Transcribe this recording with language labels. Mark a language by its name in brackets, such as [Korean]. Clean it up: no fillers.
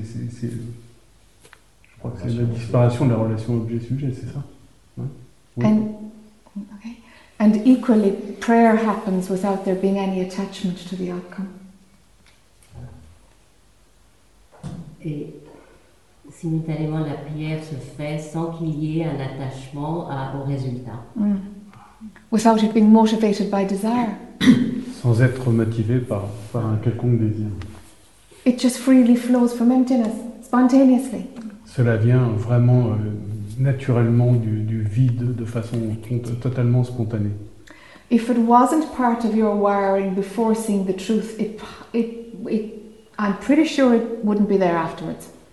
[French] Je crois que c'est la disparition de la relation objet-sujet, c'est ça. Oui. [English] And equally, prayer happens without there being any attachment to the outcome. [French] Et simultanément, la prière se fait sans qu'il y ait un attachement au résultat. Mm. [English] Without it being motivated by desire. [French] Sans être motivé par un quelconque désir. [English] It just freely flows from emptiness, spontaneously. [French] Cela vient vraiment naturellement du vide, de façon totalement spontanée. [English] If it wasn't part of your wiring before seeing the truth, it I'm pretty sure it wouldn't be there afterwards.